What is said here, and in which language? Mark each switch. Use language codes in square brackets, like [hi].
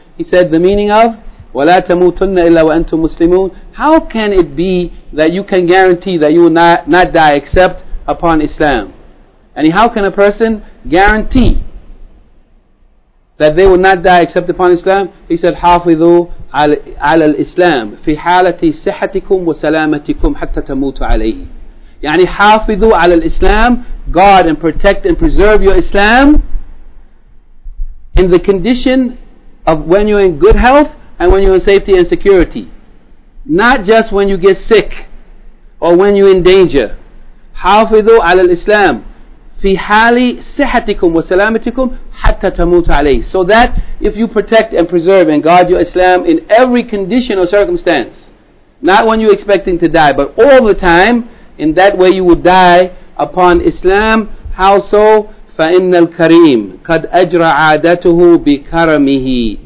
[en] He said the meaning of [ar] وَلَا تَمُوتُنَّ إِلَّا وَأَنْتُمْ مُسْلِمُونَ. [en] How can it be that you can guarantee that you will not die except upon Islam? And how can a person guarantee that they will not die except upon Islam? He said [ar] حَافِظُوا عَلَى الْإِسْلَامِ فِي حَالَةِ صِحَّتِكُمْ وَسَلَامَتِكُمْ حَتَّى تَمُوتُوا عَلَيْهِ. يعني حافظوا على الإسلام, [en] guard and protect and preserve your Islam in the condition of when you're in good health and when you're in safety and security. Not just when you get sick or when you're in danger. [ar] حافظوا على الإسلام في حال صحتكم وسلامتكم حتى تموت عليه. [en] So that if you protect and preserve and guard your Islam in every condition or circumstance, not when you're expecting to die, but all the time, in that way you would die upon Islam. How so? [ar] فَإِنَّ الْكَرِيمِ قَدْ أَجْرَ عَادَتُهُ بِكَرَمِهِ.